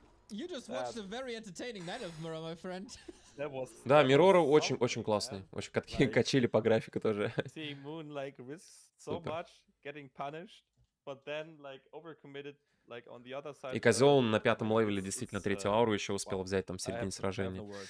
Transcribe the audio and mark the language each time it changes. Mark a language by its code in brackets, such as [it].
[en] You just watched a very entertaining night of Mirror, my friend. [ru] Да, Mirror очень-очень классный. Очень какие качели по графику тоже. [en] Seeing Moon like risk so much, getting punished, but then like overcommitted. [ru] И козел он на пятом левеле действительно третью ауру еще успел взять там в середине сражения.